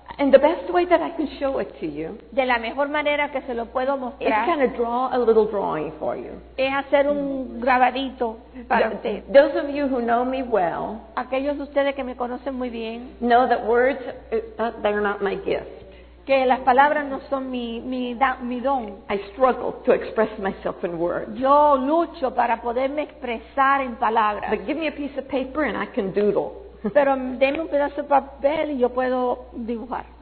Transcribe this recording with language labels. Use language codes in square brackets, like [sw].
[en] And the best way that I can show it to you. [es] De la mejor manera que se lo puedo mostrar. [en] Is kind of draw a little drawing for you. [es] Es hacer un grabadito para usted. [en] Those of you who know me well. [es] Aquellos de ustedes que me conocen muy bien. [en] Know that words, they're not my gift. [es] Que las palabras no son mi don. [en] I struggle to express myself in words. [es] Yo lucho para poderme expresar en palabras. [en] But give me a piece of paper and I can doodle. [es] Pero deme un pedazo de papel y yo puedo dibujar.